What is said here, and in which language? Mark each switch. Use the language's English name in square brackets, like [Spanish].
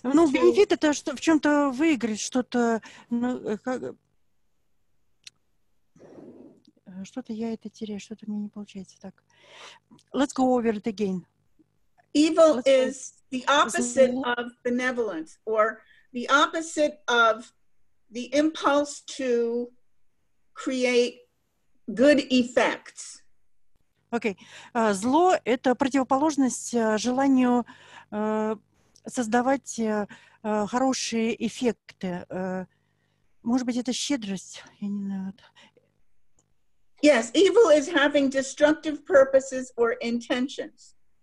[Russian] Ну, бенефит – это что, в чем-то выиграть, что-то, ну, как… Что-то я это теряю, что-то мне не получается так. [English] Let's go over it again. Evil is the opposite of benevolence, or the opposite of the impulse to create good effects. [Russian] Окей. Зло – это противоположность желанию создавать хорошие эффекты. Может быть, это щедрость? Я не знаю. [English] Yes, evil is having destructive purposes or intentions.